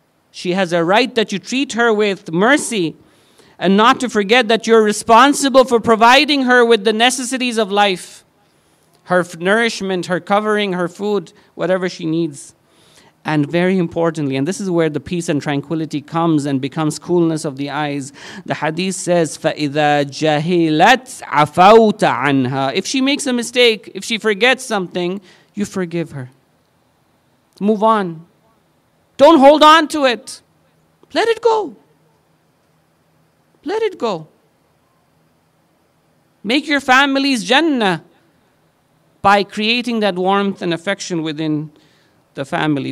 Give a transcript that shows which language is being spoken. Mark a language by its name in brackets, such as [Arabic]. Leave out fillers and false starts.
[English] She has a right that you treat her with mercy, and not to forget that you're responsible for providing her with the necessities of life, her nourishment, her covering, her food, whatever she needs. And very importantly, and this is where the peace and tranquility comes and becomes coolness of the eyes. The hadith says, [Arabic] فَإِذَا جَهِلَتْ عَفَوْتَ عَنْهَا. [English] If she makes a mistake, if she forgets something, you forgive her. Move on. Don't hold on to it. Let it go. Let it go. Make your family's Jannah by creating that warmth and affection within the family.